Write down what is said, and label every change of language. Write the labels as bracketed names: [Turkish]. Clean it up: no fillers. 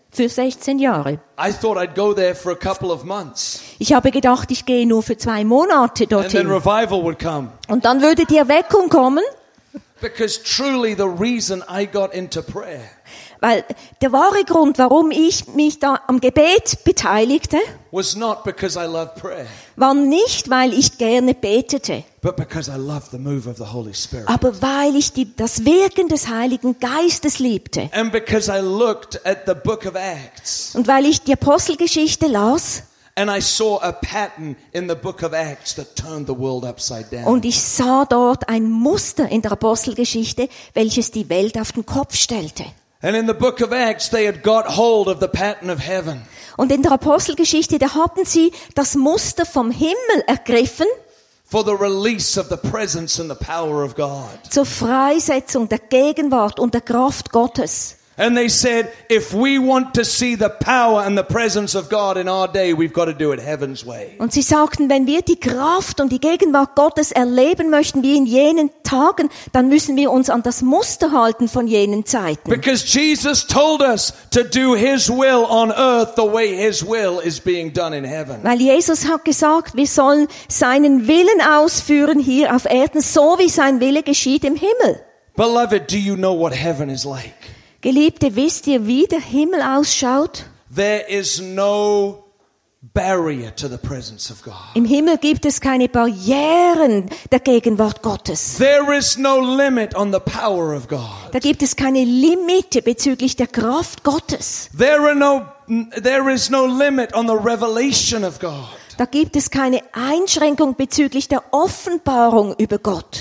[German] Für 16 Jahre. [English] I thought I'd go there for a couple of months. [German] Ich habe gedacht, ich gehe nur für 2 Monate dorthin. [English] And then revival would come. [German] Und dann würde die Erweckung kommen. [English] Because truly the reason I got into prayer. [German] Weil der wahre Grund, warum ich mich da am Gebet beteiligte, [English] was not because I love prayer, [German] war nicht, weil ich gerne betete, [English] but because I love the move of the Holy Spirit. [German] Aber weil ich das Wirken des Heiligen Geistes liebte. [English] And because I looked at the book of Acts, [German] und weil ich die Apostelgeschichte las, [English] and I saw a pattern in the book of Acts that turned the world upside down. [German] Und ich sah dort ein Muster in der Apostelgeschichte, welches die Welt auf den Kopf stellte. [English] And in the book of Acts they had got hold of the pattern of heaven. [German] Und in der Apostelgeschichte da hatten sie das Muster vom Himmel ergriffen. [English] For the release of the presence and the power of God. [German] Zur Freisetzung der Gegenwart und der Kraft Gottes. [English] And they said, if we want to see the power and the presence of God in our day, we've got to do it heaven's way. [German] Und sie sagten, wenn wir die Kraft und die Gegenwart Gottes erleben möchten wie in jenen Tagen, dann müssen wir uns an das Muster halten von jenen Zeiten. [English] Because Jesus told us to do his will on earth the way his will is being done in heaven. [German] Weil Jesus hat gesagt, wir sollen seinen Willen ausführen hier auf Erden, so wie sein Wille geschieht im Himmel. [English] Beloved, do you know what heaven is like? [German] Geliebte, wisst ihr, wie der Himmel ausschaut? [English] There is no barrier to the presence of God. [German] Im Himmel gibt es keine Barrieren der Gegenwart Gottes. [English] There is no limit on the power of God. [German] Da gibt es keine Limite bezüglich der Kraft Gottes. [English] There is no limit on the revelation of God. [German] Da gibt es keine Einschränkung bezüglich der Offenbarung über Gott.